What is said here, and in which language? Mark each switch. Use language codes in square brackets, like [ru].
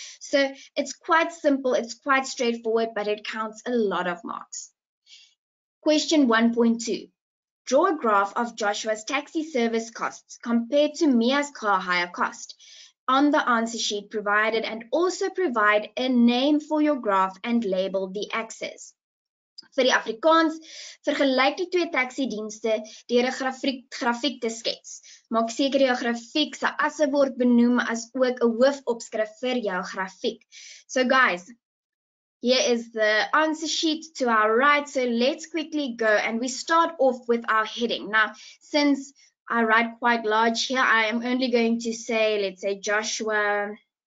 [en] So it's quite simple, it's quite straightforward, but it counts a lot of marks. Question 1.2. Draw a graph of Joshua's taxi service costs compared to Mia's car hire cost on the answer sheet provided, and also provide a name for your graph and label the axis. [af] Vir die Afrikaans, vergelyk die twee taxidienste deur 'n grafiek te skets. Maak seker jou grafiek se asse word benoem as ook 'n hoofopskrif vir jou grafiek. [en] So guys, here is the answer sheet to our right. So let's quickly go and we start off with our heading. Now, since I write quite large here, I am only going to say, let's say Joshua.